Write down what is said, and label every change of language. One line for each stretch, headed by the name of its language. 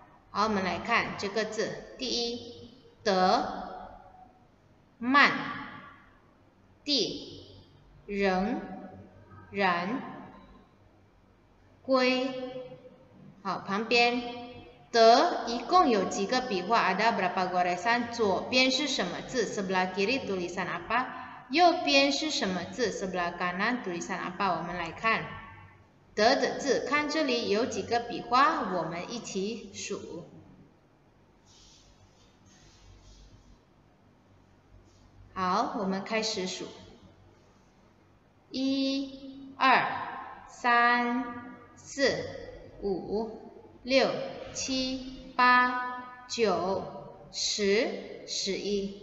Chinese: 好，我们来看这个字，第一，德慢，地仍然，归。好，旁边德一共有几个笔画 ？
Indonesian: Ada berapa goresan？
Chinese: 左边是什么字 ？
Indonesian: Sebelah kiri tulisan apa？
Chinese: 右边是什么字 ？
Indonesian: Sebelah kanan tulisan apa？
Chinese: 我们来看德的字，看这里有几个笔画，我们一起数。好，我们开始数，一、二、三、四、五、六、七、八、九、十、十一。